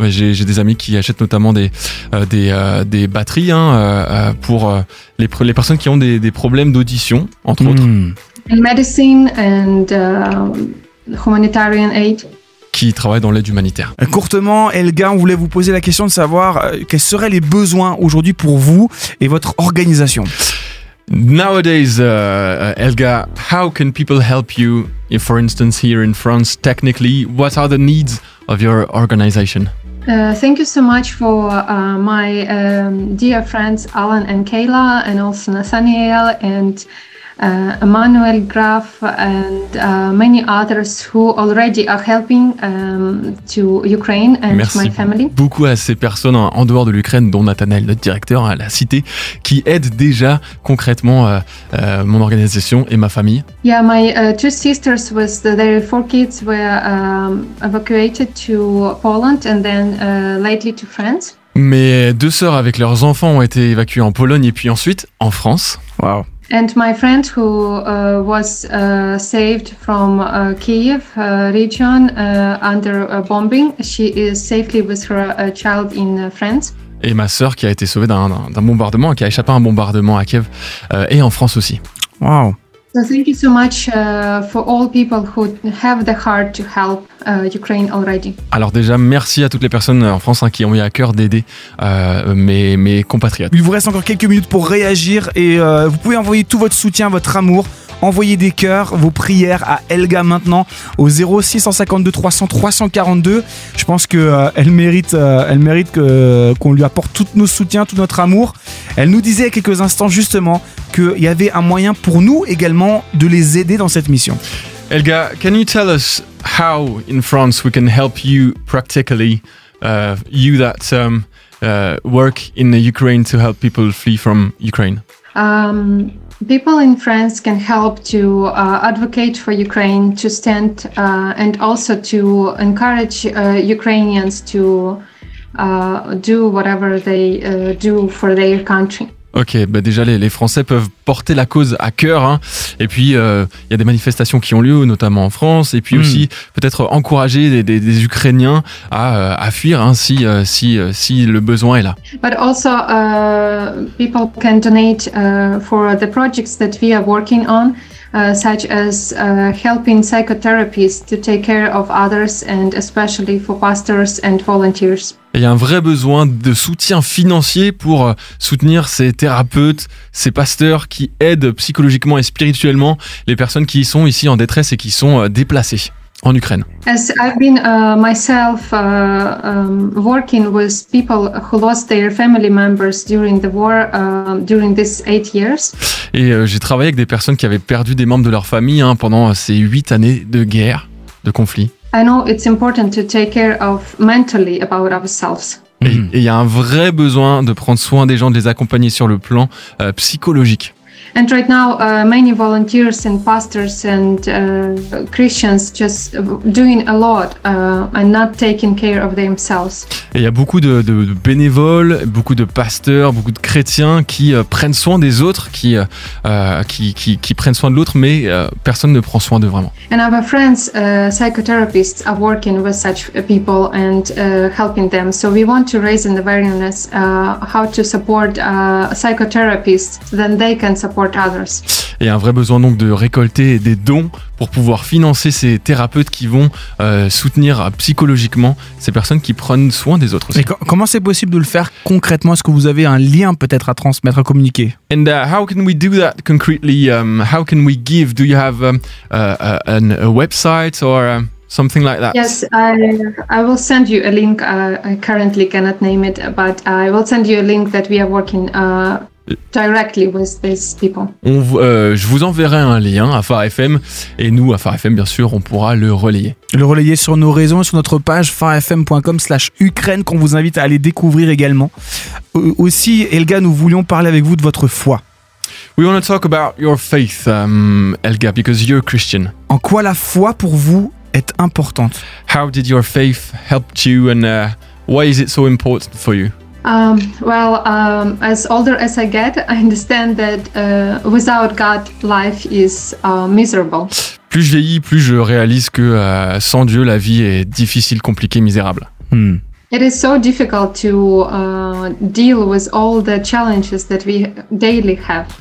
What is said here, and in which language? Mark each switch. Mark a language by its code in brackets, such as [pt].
[fr] Ouais, j'ai des amis qui achètent notamment des batteries hein, pour les personnes qui ont des problèmes d'audition, entre autres. [en] And medicine and humanitarian aid. [fr] Qui travaille dans l'aide humanitaire. Courtement, Helga, on voulait vous poser la question de savoir quels seraient les besoins aujourd'hui pour vous et votre organisation. [en] Nowadays, Helga, how can people help you, if, for instance, here in France, technically? What are the needs of your organization? Thank you so much for my dear friends, Alan and Kayla, and also Nathaniel and Emmanuel Graf and many others who already are helping to Ukraine and [fr] Merci [en] my family. [fr] Beaucoup à ces personnes en dehors de l'Ukraine, dont Nathaniel, notre directeur à la cité, qui aident déjà concrètement mon organisation et ma famille. [en] Yeah, my two sisters with their 4 kids were evacuated to Poland and then lately to France. [fr] Mes deux sœurs avec leurs enfants ont été évacuées en Pologne et puis ensuite en France. [en] Wow. And my friend who was saved from Kyiv region under bombing, she is safely with her child in France. [fr] Et ma sœur qui a été sauvée d'un bombardement, qui a échappé à un bombardement à Kiev et en France aussi. [en] Wow. So thank you so much for all people who have the heart to help Ukraine already. [fr] Alors déjà, merci à toutes les personnes en France hein, qui ont eu à cœur d'aider mes compatriotes. Il vous reste encore quelques minutes pour réagir et vous pouvez envoyer tout votre soutien, votre amour. Envoyez des cœurs, vos prières à Helga maintenant au 0652 300 342. Je pense qu'elle mérite qu'on lui apporte tout notre soutien, tout notre amour. Elle nous disait il y a quelques instants justement qu'il y avait un moyen pour nous également de les aider dans cette mission. [en] Helga, can you tell us how in France we can help you practically, you that work in the Ukraine to help people flee from Ukraine? People in France can help to advocate for Ukraine, to stand and also to encourage Ukrainians to do whatever they do for their country. [fr] Ok, bah déjà les Français peuvent porter la cause à cœur, hein. Et puis il y a des manifestations qui ont lieu, notamment en France, et puis aussi peut-être encourager des Ukrainiens à fuir hein, si le besoin est là. [en] But also people can donate for the projects that we are working on, such as helping psychotherapists to take care of others and especially for pastors and volunteers. [fr] Il y a un vrai besoin de soutien financier pour soutenir ces thérapeutes, ces pasteurs qui aident psychologiquement et spirituellement les personnes qui sont ici en détresse et qui sont déplacées en Ukraine. [en] As I've been myself working with people who lost their family members during the war during these 8 years. [fr] Et j'ai travaillé avec des personnes qui avaient perdu des membres de leur famille hein, pendant ces 8 années de guerre, de conflit. [en] I know it's important to take care of mentally about ourselves. [fr] Et il y a un vrai besoin de prendre soin des gens, de les accompagner sur le plan psychologique. [en] And right now, many volunteers and pastors and Christians just doing a lot and not taking care of themselves. [fr] Et il y a beaucoup de bénévoles, beaucoup de pasteurs, beaucoup de chrétiens qui prennent soin des autres, qui prennent soin de l'autre, mais personne ne prend soin d'eux vraiment. [en] And our friends, psychotherapists, are working with such people and helping them. So we want to raise an awareness how to support psychotherapists, then they can support support others. [fr] Et un vrai besoin donc de récolter des dons pour pouvoir financer ces thérapeutes qui vont soutenir psychologiquement ces personnes qui prennent soin des autres. Mais comment c'est possible de le faire concrètement? Est-ce que vous avez un lien peut-être à transmettre, à communiquer? [en] And how can we do that concretely? How can we give? Do you have a website or something like that? Yes, I will send you a link. I currently cannot name it, but I will send you a link that we are working directly with these people. [fr] Je vous enverrai un lien à Phare FM et nous, à Phare FM, bien sûr, on pourra le relayer. Le relayer sur nos réseaux, sur notre page pharefm.com/Ukraine qu'on vous invite à aller découvrir également. Aussi, Helga, nous voulions parler avec vous de votre foi. [en] We want to talk about your faith, Helga, because you're a Christian. [fr] En quoi la foi pour vous est importante? [en] How did your faith help you and why is it so important for you? As older as I get, I understand that without God, life is miserable. [fr] Plus je vieillis, plus je réalise que sans Dieu, la vie est difficile, compliquée, misérable. [en] It is so difficult to deal with all the challenges that we daily have.